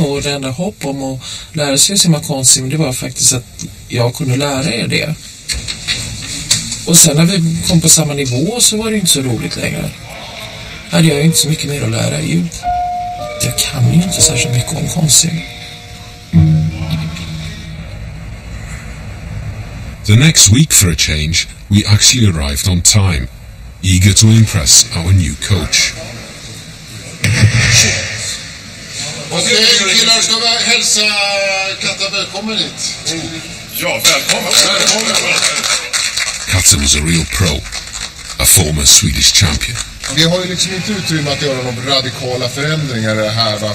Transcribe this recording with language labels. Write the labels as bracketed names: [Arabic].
[Swedish] Och det enda hopp om att lära sig simma Konsum, det var faktiskt att jag kunde lära er det. Och sen när vi kom på samma nivå så var det inte så roligt längre. Hade jag ju inte så mycket mer att lära ut. Jag kan ju inte särskilt mycket om konsum. [English] The next week for a change, we actually arrived on time, eager to impress our new coach. [Swedish] Killar, ska vi hälsa Katta välkommen hit? Ja, välkommen! [English] Katta was a real pro, a former Swedish champion. [Swedish] Vi har ju liksom inte utrymme att göra några radikala förändringar här, va?